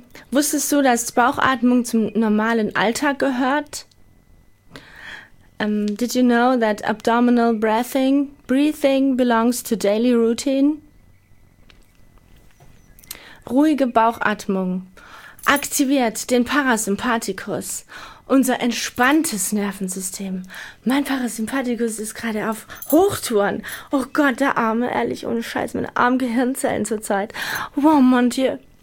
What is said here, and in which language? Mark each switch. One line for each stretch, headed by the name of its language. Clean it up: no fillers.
German: Wusstest du, dass Bauchatmung zum normalen Alltag gehört?
English: Did you know that abdominal breathing belongs to daily routine?
German: Ruhige Bauchatmung aktiviert den Parasympathikus, unser entspanntes Nervensystem. Mein Parasympathikus ist gerade auf Hochtouren. Oh Gott, der Arme, ehrlich, ohne Scheiß, meine armen Gehirnzellen zurzeit. Wow,
French: mon Dieu.